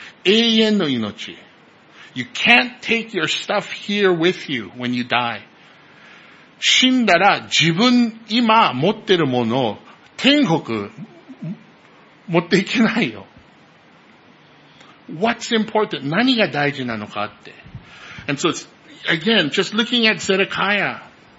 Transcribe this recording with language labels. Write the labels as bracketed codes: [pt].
[ja] 永遠の命。 [en] You can't take your stuff here with you when you die. [ja] 死んだら自分、今持ってるものを天国持っていけないよ。 [en] What's important? [ja] 何が大事なのかって。 [en] And so, again, just looking at Zedekiah.